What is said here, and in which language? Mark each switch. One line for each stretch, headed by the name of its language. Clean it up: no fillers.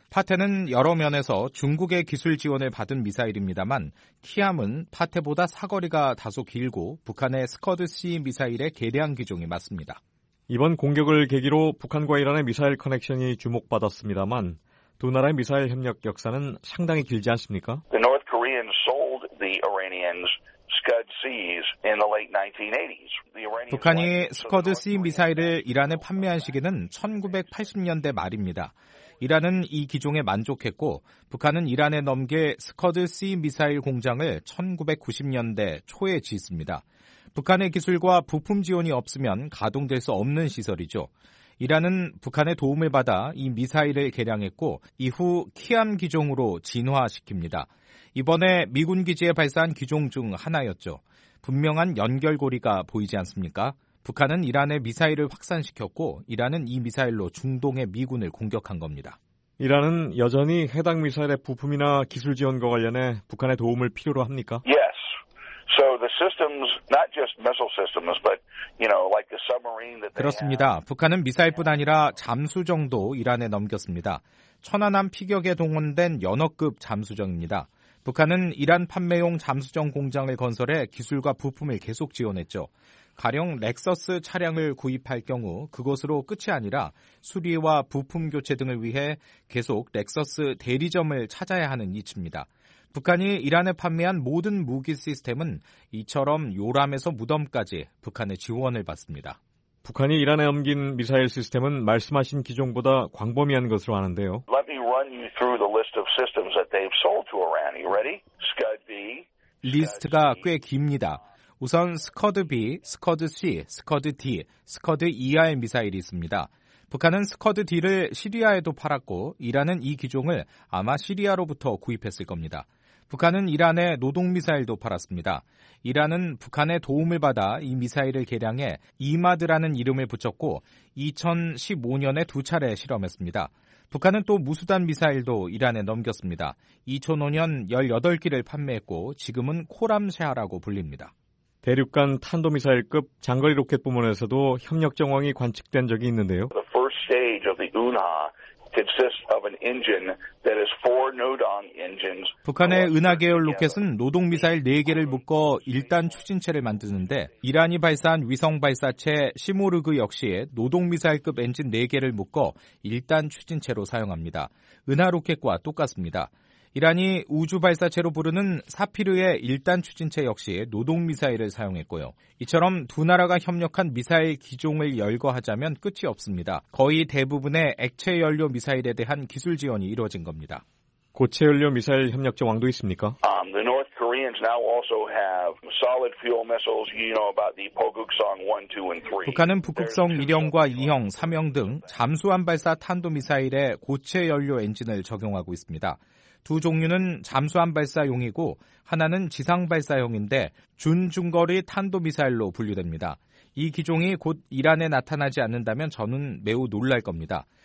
Korean: 파테는 여러 면에서 중국의 기술 지원을 받은 미사일입니다만 키암은 파테보다 사거리가 다소 길고 북한의 스커드시 미사일의 개량 기종이 맞습니다. 이번 공격을 계기로 북한과 이란의 미사일 커넥션이 주목받았습니다만 두 나라의 미사일 협력 역사는 상당히 길지 않습니까?
English: The North Koreans sold the Iranians Scud-C's in the late 1980s.
Korean: 북한이 스커드C 미사일을 이란에 판매한 시기는 1980년대 말입니다. 이란은 이 기종에 만족했고 북한은 이란에 넘겨 스커드C 미사일 공장을 1990년대 초에 짓습니다. 북한의 기술과 부품 지원이 없으면 가동될 수 없는 시설이죠. 이란은 북한의 도움을 받아 이 미사일을 개량했고 이후 키암 기종으로 진화시킵니다. 이번에 미군 기지에 발사한 기종 중 하나였죠. 분명한 연결고리가 보이지 않습니까? 북한은 이란에 미사일을 확산시켰고 이란은 이 미사일로 중동의 미군을 공격한 겁니다. 이란은 여전히 해당 미사일의 부품이나 기술 지원과 관련해 북한의 도움을 필요로 합니까?
English: Yes. So the systems, not just missile systems, but you know, like the submarine that.
Korean: 그렇습니다. 북한은 미사일뿐 아니라 잠수정도 이란에 넘겼습니다. 천안함 피격에 동원된 연어급 잠수정입니다. 북한은 이란 판매용 잠수정 공장을 건설해 기술과 부품을 계속 지원했죠. 가령 렉서스 차량을 구입할 경우 그것으로 끝이 아니라 수리와 부품 교체 등을 위해 계속 렉서스 대리점을 찾아야 하는 이치입니다. 북한이 이란에 판매한 모든 무기 시스템은 이처럼 요람에서 무덤까지 북한의 지원을 받습니다. 북한이 이란에 옮긴 미사일 시스템은 말씀하신 기종보다 광범위한 것으로 아는데요.
English: Let me run you through the list of systems that they've sold to Iran. You ready? Scud-B.
Korean: 리스트가 꽤 깁니다. 우선 스커드B, 스커드C, 스커드D, 스커드ER 미사일이 있습니다. 북한은 스커드D를 시리아에도 팔았고 이란은 이 기종을 아마 시리아로부터 구입했을 겁니다. 북한은 이란에 노동미사일도 팔았습니다. 이란은 북한의 도움을 받아 이 미사일을 개량해 이마드라는 이름을 붙였고 2015년에 두 차례 실험했습니다. 북한은 또 무수단 미사일도 이란에 넘겼습니다. 2005년 18기를 판매했고 지금은 코람샤라고 불립니다. 대륙간 탄도미사일급 장거리 로켓 부문에서도 협력 정황이 관측된 적이 있는데요.
English: The first stage of the UNHA consists of an engine that is four NODONG engines.
Korean: 북한의 은하 계열 로켓은 노동 미사일 4개를 묶어 1단 추진체를 만드는데 이란이 발사한 위성 발사체 시모르그 역시 노동 미사일급 엔진 4개를 묶어 1단 추진체로 사용합니다. 은하 로켓과 똑같습니다. 이란이 우주발사체로 부르는 사피르의 1단 추진체 역시 노동미사일을 사용했고요. 이처럼 두 나라가 협력한 미사일 기종을 열거하자면 끝이 없습니다. 거의 대부분의 액체연료 미사일에 대한 기술 지원이 이루어진 겁니다. 고체연료 미사일 협력 정황도 있습니까?
English: The North Koreans now also have solid fuel missiles, you know about the Pokuksong 1, 2, and 3.
Korean: 북한은 북극성 1형과 2형, 3형 등 잠수함 발사 탄도미사일에 고체연료 엔진을 적용하고 있습니다. 두 종류는 잠수함 발사용이고 하나는 지상 발사용인데 준중거리 탄도미사일로 분류됩니다. 이 기종이 곧 이란에 나타나지 않는다면 저는 매우 놀랄 겁니다.